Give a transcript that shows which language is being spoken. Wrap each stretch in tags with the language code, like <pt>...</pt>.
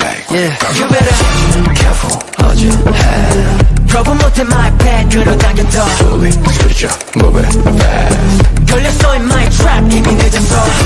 <en>Yeah, you better be careful.</en> <ko>넣어줘 probe 못해</ko> <en>my bad</en> <ko>뒤로 당겨둬</ko> <en>slowly switch up move it fast</en> <ko>걸렸어</ko> <en>in my trap</en> <ko>이미 늦었어</ko>